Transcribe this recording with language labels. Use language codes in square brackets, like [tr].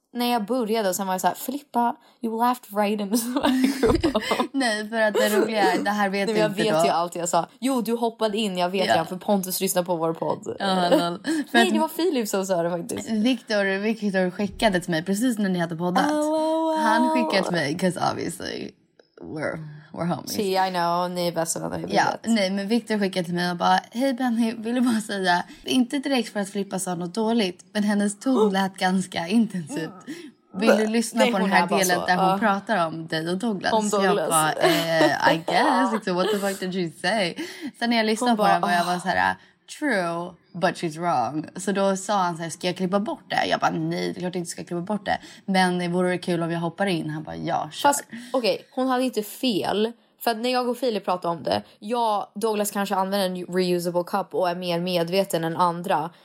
[sv] när jag började och sen var jag så här, Filippa, [en] you laughed right in the group. [sv] Nej, för att det roliga är, det här vet jag inte. Jag vet ju allt jag sa. Jo, du hoppade in, jag vet för Pontus lyssnar på vår podd. Nej, det var Filip som sa det faktiskt. Victor skickade till mig precis när ni hade poddat. [en] Oh, wow, wow. [sv] Han skickade till mig, [en] because obviously we're homies. See, I know, [sv] ni är bästa vänner. Ja, nej, men Victor skickade till mig och bara, hej Benny, vill du bara säga, inte direkt för att Filippa sa något dåligt, men hennes ton lät ganska intensivt. Vill du lyssna på den här delen där hon pratar om dig och Douglas? Om Douglas. Jag bara, [en] I guess, like, what the fuck did you say? [sv] Sen när jag lyssnade på den var jag bara så här, [en] true, but she's wrong. [sv] Så då sa han så här, ska jag klippa bort det? Jag bara, nej, det är klart inte ska klippa bort det. Men det vore kul om jag hoppar in. Han bara, ja, kör. Fast, okej, hon hade inte fel. För att när jag och Filip pratade om det, jag, Douglas kanske använder en reusable cup och är mer medveten än andra.